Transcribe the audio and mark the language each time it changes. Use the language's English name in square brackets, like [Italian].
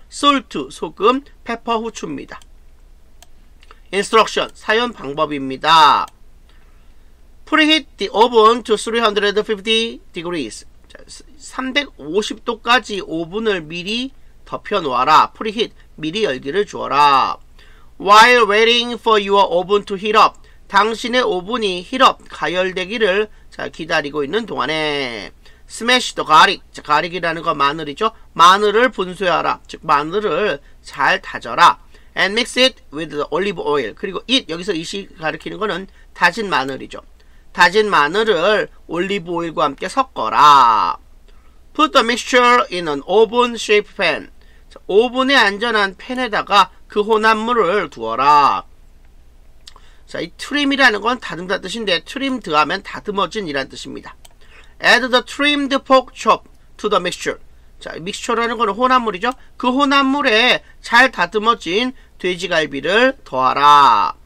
[Korean] 솔트, 소금, 페퍼, 후추입니다. 인스트럭션, 사용 방법입니다. [English] Preheat the oven to 350 degrees. [Korean] 자, 350도까지 오븐을 미리 덮여놓아라. Preheat, 미리 열기를 주어라. [English] While waiting for your oven to heat up. [Korean] 당신의 오븐이 heat up, 가열되기를 자, 기다리고 있는 동안에. [English] Smash the garlic. [Korean] 자, 가릭이라는 건 마늘이죠. 마늘을 분쇄하라. 즉, 마늘을 잘 다져라. [English] And mix it with the olive oil. [Korean] 그리고 it, 여기서 it이 가리키는 거는 다진 마늘이죠. 다진 마늘을 올리브 오일과 함께 섞어라. [English] Put the mixture in an oven shaped pan. [Korean] 자, 오븐에 안전한 팬에다가 그 혼합물을 두어라. 자, 이 trim이라는 건 다듬다 뜻인데 trimmed 하면 다듬어진 이란 뜻입니다. [English] Add the trimmed pork chop to the mixture. [Korean] 자, 믹스처라는 거는 혼합물이죠. 그 혼합물에 잘 다듬어진 돼지갈비를 더하라.